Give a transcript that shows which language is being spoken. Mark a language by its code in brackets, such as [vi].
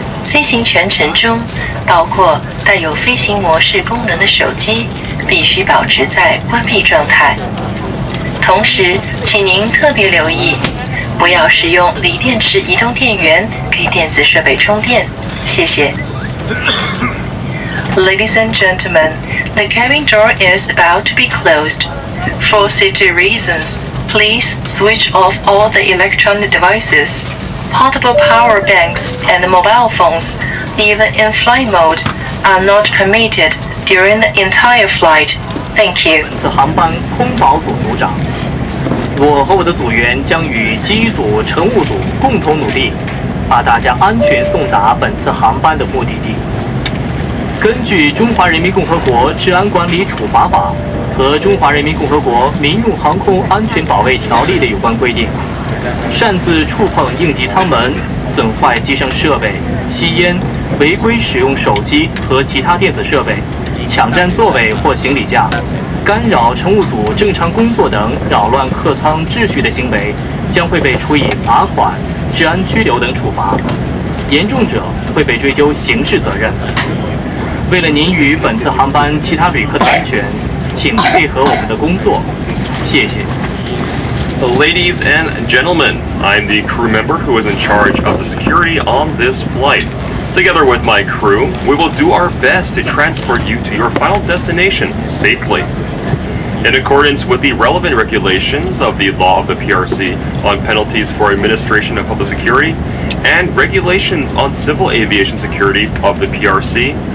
[zh] 飞行全程中，包括带有飞行模式功能的手机必须保持在关闭状态。同时请您特别留意，不要使用锂电池移动电源给电子设备充电，谢谢。 [en] Ladies and gentlemen, the cabin door is about to be closed. For safety reasons, please switch off all the electronic devices, portable power banks, and mobile phones, even in flight mode, are not permitted during the entire flight. Thank you. [zh] 本次航班空保组组长，我和我的组员将与机组、乘务组共同努力，把大家安全送达本次航班的目的地。根据《中华人民共和国治安管理处罚法》和《中华人民共和国民用航空安全保卫条例》的有关规定，擅自触碰应急舱门、损坏机上设备、吸烟、违规使用手机和其他电子设备、抢占座位或行李架、干扰乘务组正常工作等扰乱客舱秩序的行为，将会被处以罚款、治安拘留等处罚，严重者会被追究刑事责任。为了您与本次航班其他旅客的安全，请配合我们的工作，谢谢。 [en] Ladies and gentlemen, I'm the crew member who is in charge of the security on this flight. Together with my crew, we will do our best to transport you to your final destination safely. In accordance with the relevant regulations of the law of the PRC on penalties for administration of public security and regulations on civil aviation security of the PRC,